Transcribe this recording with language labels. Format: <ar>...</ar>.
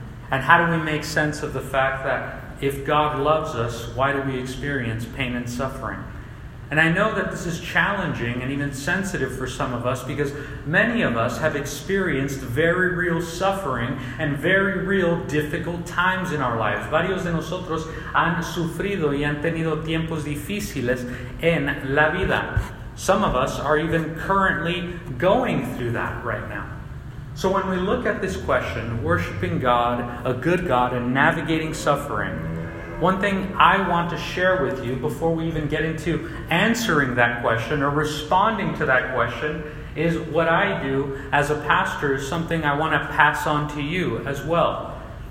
<en>And how do we make sense of the fact that if God loves us, why do we experience pain and suffering? And I know that this is challenging and even sensitive for some of us, because many of us have experienced very real suffering and very real difficult times in our lives.</en> <es>Varios de nosotros han sufrido y han tenido tiempos difíciles en la vida.</es> <en>Some of us are even currently going through that right now. So when we look at this question, worshiping God, a good God, and navigating suffering, one thing I want to share with you before we even get into answering that question or responding to that question is what I do as a pastor is something I want to pass on to you as well.</en>